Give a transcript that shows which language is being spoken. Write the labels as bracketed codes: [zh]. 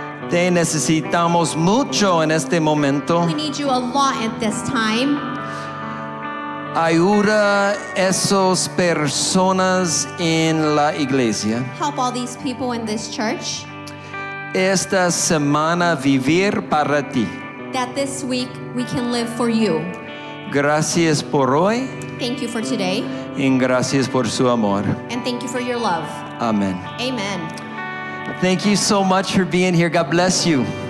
[es] Te necesitamos mucho en este momento. [en] We need you a lot at this time. [es] Ayuda esas personas en la iglesia. [en] Help all these people in this church. [es] Esta semana vivir para ti. [en] That this week we can live for you. [es] Gracias por hoy. [en] Thank you for today. [es] Y gracias por su amor. [en] And thank you for your love. [es] Amen. [en] Amen. Thank you so much for being here. God bless you.